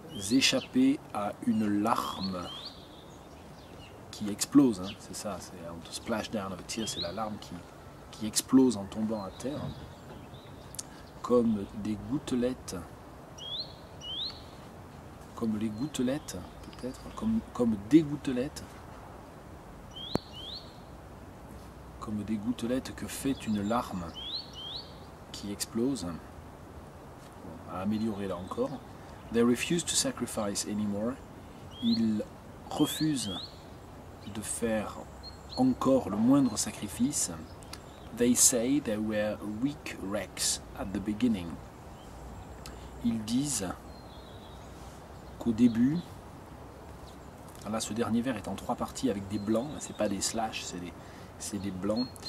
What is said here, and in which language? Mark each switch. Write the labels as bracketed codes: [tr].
[fr] échapper à une larme qui explose, hein, c'est ça, c'est un [en] splash down of a tear, [fr] c'est la larme qui explose en tombant à terre, comme des gouttelettes, comme les gouttelettes, peut-être, comme des gouttelettes, comme des gouttelettes que fait une larme qui explose, à améliorer là encore. [en] They refuse to sacrifice anymore. [fr] Ils refusent de faire encore le moindre sacrifice. [en] They say they were weak wrecks at the beginning. [fr] Ils disent qu'au début, là ce dernier vers est en trois parties avec des blancs, c'est pas des slash, c'est des blancs.